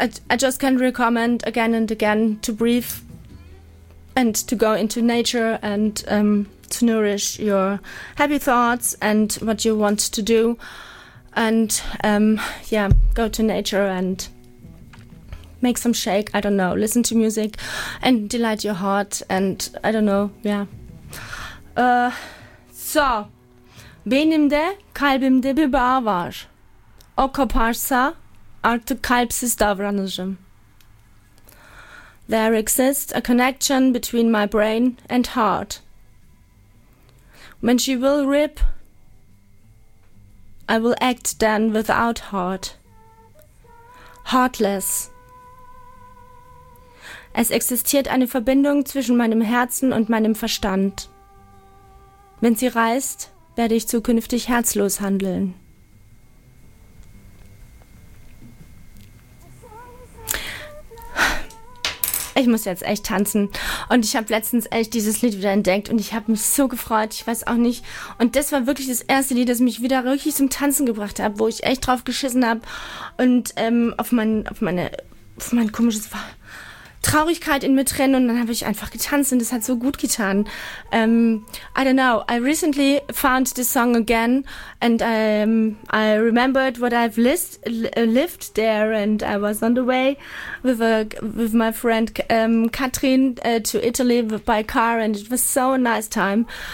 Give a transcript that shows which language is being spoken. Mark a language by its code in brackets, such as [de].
[en] I just can recommend again and again to breathe and to go into nature and to nourish your happy thoughts and what you want to do. And go to nature and make some shake, I don't know, listen to music and delight your heart and I don't know, yeah. [tr] So, benimde kalbimde bir bağ var. O koparsa artık kalpsiz davranırım. [en] There exists a connection between my brain and heart. When she will rip, I will act then without heart. Heartless. [de] Es existiert eine Verbindung zwischen meinem Herzen und meinem Verstand. Wenn sie reißt, werde ich zukünftig herzlos handeln. Ich muss jetzt echt tanzen. Und ich habe letztens echt dieses Lied wieder entdeckt und ich habe mich so gefreut, ich weiß auch nicht. Und das war wirklich das erste Lied, das mich wieder richtig zum Tanzen gebracht hat, wo ich echt drauf geschissen habe und auf mein komisches Traurigkeit in mir drin und dann habe ich einfach getanzt und das hat so gut getan. [en] I don't know, I recently found this song again and I remembered what I've lived there and I was on the way with my friend Katrin to Italy by car and it was so a nice time.